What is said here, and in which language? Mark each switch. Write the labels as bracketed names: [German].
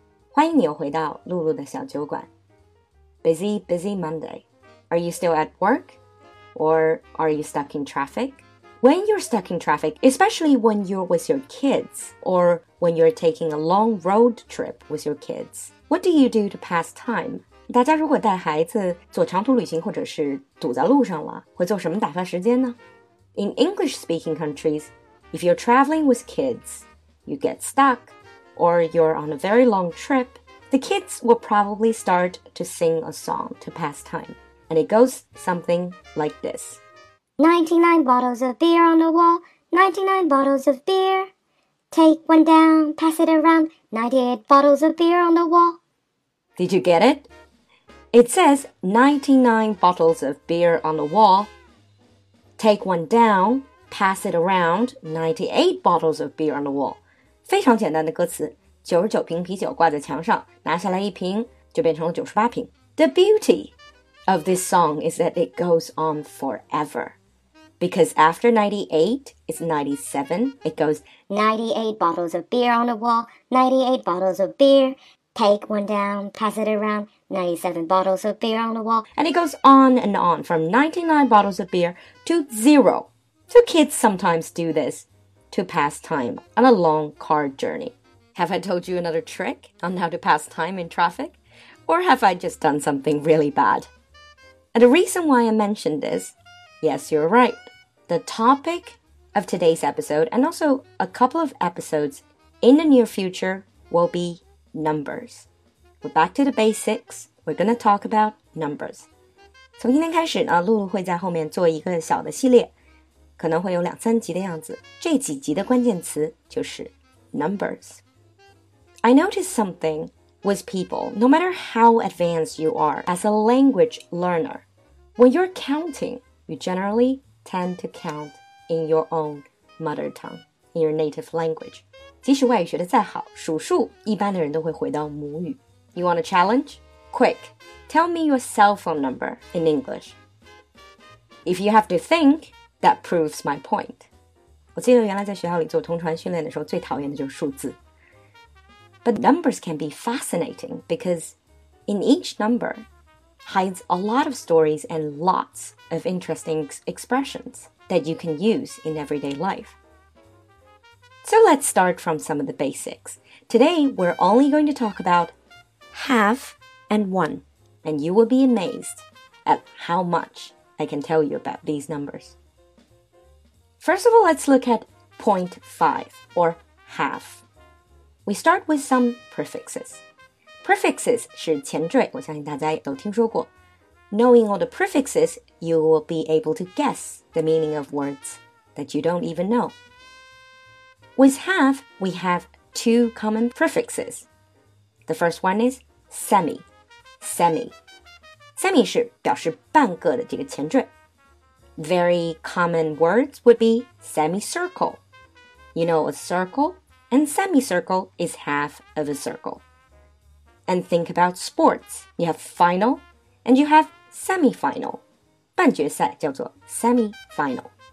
[Chinese] 欢迎你又回到露露的小酒馆。 [English] Busy, busy Monday. Are you still at work? Or are you stuck in traffic? When you're stuck in traffic, especially when you're with your kids, or when you're taking a long road trip with your kids, what do you do to pass time? [Chinese] 大家如果带孩子坐长途旅行或者是堵在路上了，会做什么打发时间呢？ [English] In English-speaking countries, if you're traveling with kids, you get stuck, or you're on a very long trip, the kids will probably start to sing a song to pass time. And it goes something like this. 99 bottles of beer on the wall, 99 bottles of beer. Take one down, pass it around, 98 bottles of beer on the wall. Did you get it? It says 99 bottles of beer on the wall. Take one down, pass it around, 98 bottles of beer on the wall. [Chinese] 非常简单的歌词，99瓶啤酒挂在墙上，拿下来一瓶就变成了98瓶。 [English] The beauty of this song is that it goes on forever. Because after 98, it's 97, it goes 98 bottles of beer on the wall, 98 bottles of beer. Take one down, pass it around. 97 bottles of beer on the wall. And it goes on and on from 99 bottles of beer to zero. So kids sometimes do this to pass time on a long car journey. Have I told you another trick on how to pass time in traffic? Or have I just done something really bad? And the reason why I mentioned this, yes, you're right. The topic of today's episode and also a couple of episodes in the near future will be numbers. We're back to the basics. We're going to talk about numbers. [Chinese] 从今天开始呢，露露会在后面做一个小的系列，可能会有两三集的样子。这几集的关键词就是 numbers. [English] I noticed something with people, no matter how advanced you are as a language learner, when you're counting, you generally tend to count in your own mother tongue, in your native language. [Chinese] 即使外语学得再好，数数一般的人都会回到母语。 [English] You want a challenge? Quick, tell me your cell phone number in English. If you have to think, that proves my point. [Chinese] 我记得原来在学校里做同传训练的时候最讨厌的就是数字。 [English] But numbers can be fascinating because in each number hides a lot of stories and lots of interesting expressions that you can use in everyday life. So let's start from some of the basics. Today, we're only going to talk aboutHalf and one, and you will be amazed at how much I can tell you about these numbers. First of all, let's look at 0.5, or half. We start with some prefixes. [Chinese] Prefixes 是前缀，我相信大家都听说过。 [English] Knowing all the prefixes, you will be able to guess the meaning of words that you don't even know. With half, we have two common prefixes. The first one is,Semi [Chinese] 是表示半个的这个前缀。 [English] Very common words would be semicircle. You know a circle? And semicircle is half of a circle. And think about sports. You have final and you have semifinal. [Chinese] 半决赛叫做 semifinal.